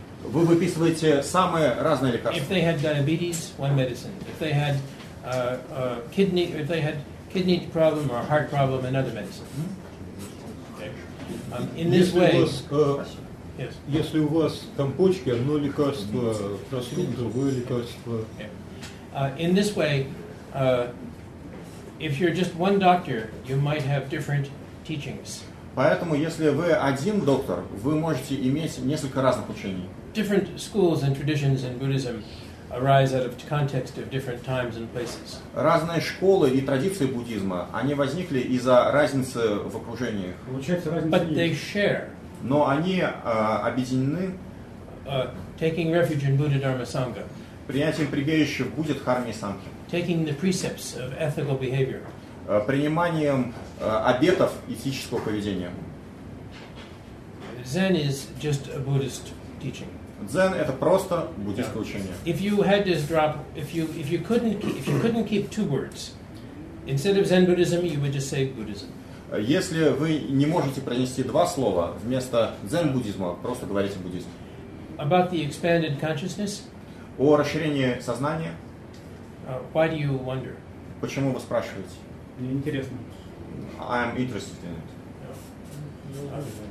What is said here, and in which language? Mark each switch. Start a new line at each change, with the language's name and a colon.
Russian: Вы выписываете самые разные лекарства.
English: If they had diabetes, one medicine. If they had kidney problem or heart problem, another medicine. Okay. In this way. Yes.
Russian: Если у вас там почки, одно лекарство, простуда, другое лекарство.
English: In this way. If you're just one doctor, you might have different teachings.
Russian: Поэтому, если вы один доктор, вы можете иметь несколько разных учений.
English: Different schools and traditions in Buddhism arise out of the context of different times and places.
Russian: Разные школы и традиции буддизма, они возникли из-за разницы в окружениях. Получается, разница
English: But
Russian: есть.
English: They share.
Russian: Но они объединены.
English: Taking refuge in Buddha Dharma Sangha.
Russian: Принятием прибежища в Будде Дхарме Сангхе.
English: Taking the precepts of ethical behavior.
Russian: Приниманием обетов этического поведения.
English: Zen is just a Buddhist teaching.
Russian: Zen это просто буддийское учение.
English: If you had to drop, if you couldn't keep two words, instead of Zen Buddhism, you would just say Buddhism.
Russian: Если вы не можете произнести два слова вместо Zen Буддизма, просто говорите буддизм.
English: About the expanded consciousness.
Russian: О расширении сознания.
English: Why do you wonder?
Russian: Почему вы спрашиваете? Мне интересно.
English: I am interested in it.